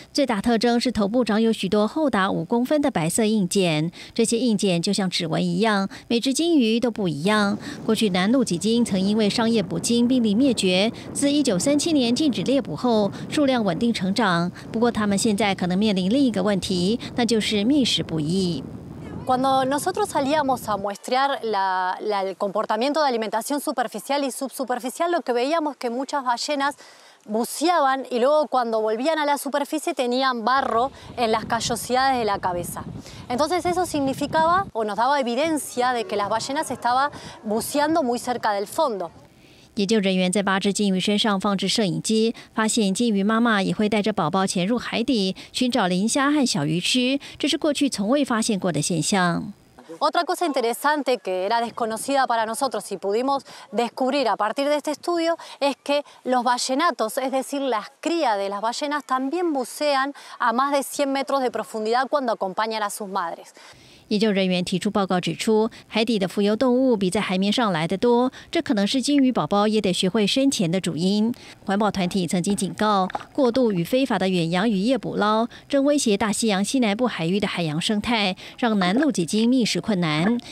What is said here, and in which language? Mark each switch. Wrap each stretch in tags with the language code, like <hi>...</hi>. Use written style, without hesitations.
<zh>最大特征是头部长有许多厚达5公分的白色硬茧，这些硬茧就像指纹一样，每只鲸鱼都不一样。过去南鹿脊鲸曾因为商业捕鲸濒临灭绝，自1937年禁止猎捕后，数量稳定成长。不过他们现在可能面临另一个问题，那就是觅食不易。</zh> <es>Cuando nosotros salíamos a muestrear el comportamiento de alimentación superficial y subsuperficial, lo que veíamos que muchas ballenas buceaban y luego cuando volvían a la superficie tenían barro en las callosidades de la cabeza. Entonces eso significaba o nos daba evidencia de que las ballenas estaban buceando muy cerca del fondo.</es> <zh>研究人员在八只鲸鱼身上放置摄影机，发现鲸鱼妈妈也会带着宝宝潜入海底寻找磷虾和小鱼吃，这是过去从未发现过的现象。</zh> <es>Otra cosa interesante que era desconocida para nosotros y pudimos descubrir a partir de este estudio es que los ballenatos, es decir, las crías de las ballenas también bucean a más de 100 metros de profundidad cuando acompañan a sus madres.</es> <zh>研究人员提出报告指出，海底的浮游动物比在海面上来得多，这可能是鲸鱼宝宝也得学会深潜的主因。环保团体曾经警告，过度与非法的远洋渔业捕捞正威胁大西洋西南部海域的海洋生态，让南鹿脊鲸觅食困难。</zh>